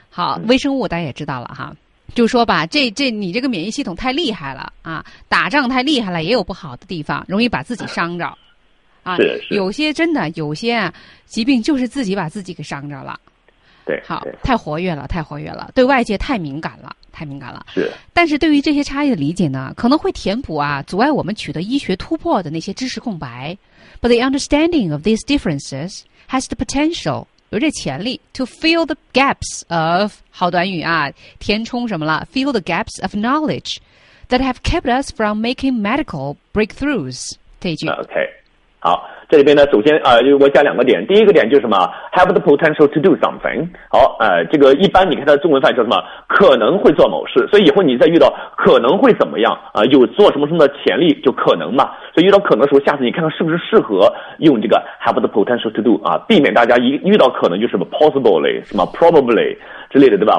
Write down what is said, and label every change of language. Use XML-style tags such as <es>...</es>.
<zh>好，微生物大家也知道了哈，就说吧，这你这个免疫系统太厉害了啊，打仗太厉害了，也有不好的地方，容易把自己伤着啊。是有些真的有些疾病就是自己把自己给伤着了。对，好对，太活跃了，太活跃了，对外界太敏感了。太敏感了，是。但是对于这些差异的理解呢，可能会填补啊，阻碍我们取得医学突破的那些知识空白。</zh> <en>But the understanding of these differences has the potential，</en> <zh>有这潜力</zh> <en>，to fill the gaps of</en> <zh>好短语啊，填充什么了</zh> <en>？fill the gaps of knowledge that have kept us from making medical breakthroughs。</en> <zh>这一句。 OK， 好，这里边呢，首先啊，我加两个点。第一个点就是什么 ？have the potential to do something。好，这个一般你看它的中文翻译叫什么？可能会做某事，所以以后你再遇到可能会怎么样啊、有做什么什么的潜力，就可能嘛。所以遇到可能的时候，下次你看看是不是适合用这个 have the potential to do 啊，避免大家一遇到可能就是 possibly 什么 probably 之类的，对吧？</zh>